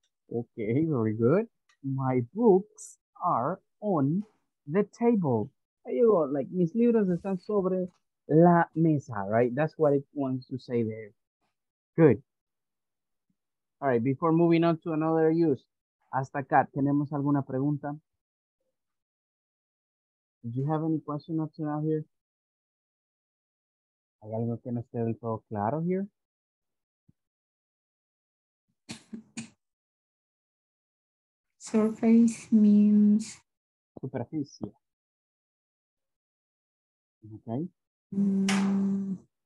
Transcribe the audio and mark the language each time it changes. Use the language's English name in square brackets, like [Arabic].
[English] Okay, very good. My books are on the table. There you go. [Spanish] Like, mis libros están sobre la mesa, right? [English] That's what it wants to say there. Good. All right, before moving on to another use, [Spanish] hasta acá, ¿tenemos alguna pregunta? [English] Do you have any question up to now here? [Spanish] ¿Hay algo que no esté del todo claro here? [English] Surface means... [Spanish] superficie. [English] Okay. Mm.